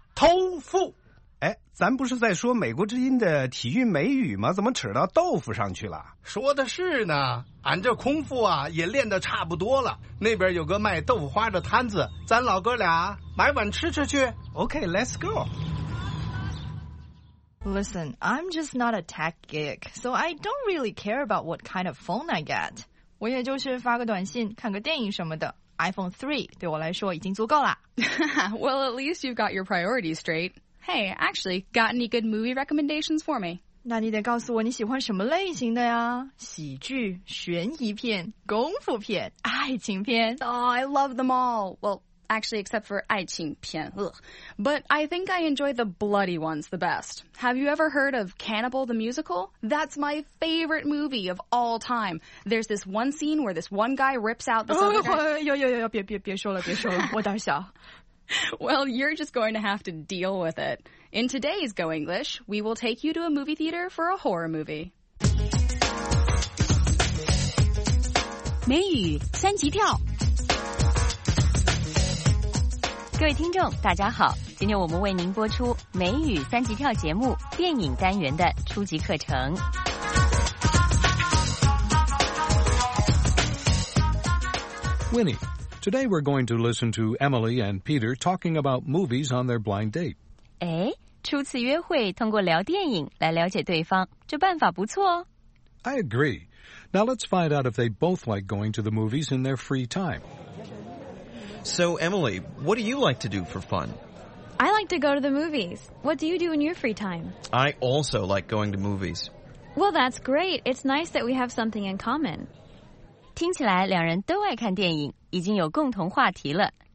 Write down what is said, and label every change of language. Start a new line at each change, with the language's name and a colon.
Chinese: 豆腐。哎，咱不是在说美国之音的体育美语吗？怎么扯到豆腐上去了？说的是呢，俺这空腹啊也练得差不多了。那边有个卖豆腐花的摊子，咱老哥俩买碗吃吃去。
English: OK，let's go。 Listen， I'm just not a tech geek， so I don't really care about what kind of phone I get。
Chinese: 我也就是发个短信看个电影什么的 iPhone 3对我来说已经足够了
English: Well, at least you've got your priorities straight. Hey, actually, got any good movie recommendations for me?
Chinese: 那你得告诉我你喜欢什么类型的呀喜剧、悬疑片、功夫片、爱情片
English: Oh, I love them all. Well, Actually, except for 爱情片, ugh. But I think I enjoy the bloody ones the best. Have you ever heard of Cannibal the Musical? That's my favorite movie of all time. There's this one scene where this one guy rips out this other guy.
Chinese: 别说了，我胆小。
English: Well, you're just going to have to deal with it. In today's Go English, we will take you to a movie theater for a horror movie.
Chinese: 美语三级跳。各位听众大家好，今天我们为您播出美语三级跳节目电影单元的初级课程。
English: Winnie, today we're going to listen to Emily and Peter talking about movies on their blind date.
Chinese: 哎，初次约会通过聊电影来了解对方，这办法不错哦。
English: I agree. Now let's find out if they both like going to the movies in their free time. So, Emily, what do you like to do for fun? I like to go to the movies. What do you do in your free time? I also like going to movies. Well, that's great. It's nice that we have something in common.
Chinese: 听起来两人都爱看电影，已经有共同话题了。